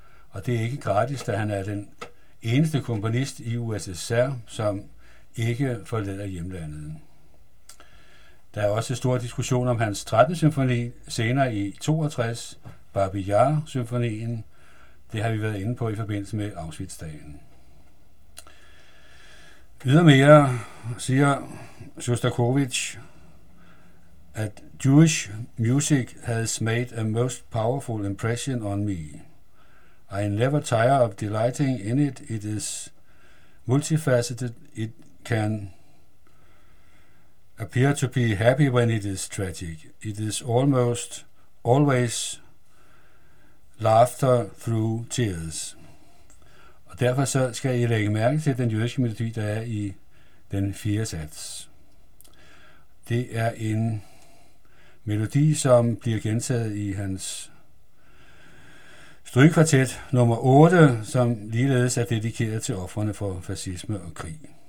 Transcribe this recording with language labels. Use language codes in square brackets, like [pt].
[da] Og det er ikke gratis, da han er den eneste komponist i USSR, som ikke forlader hjemlandet. Der er også en stor diskussion om hans 13. symfoni senere i 62, Babi Yar-symfonien. Det har vi været inde på i forbindelse med Auschwitz-dagen. Ydermere siger Shostakovich, at [en] Jewish music has made a most powerful impression on me. I never tire of delighting in it. It is multifaceted. It can appear to be happy when it is tragic. It is almost always laughter through tears. [da] Og derfor så skal I lægge mærke til den jødiske melodi, der er i den fjerde sats. Det er en melodi, som bliver gentaget i hans strygkvartet nummer 8, som ligeledes er dedikeret til ofrene for fascisme og krig.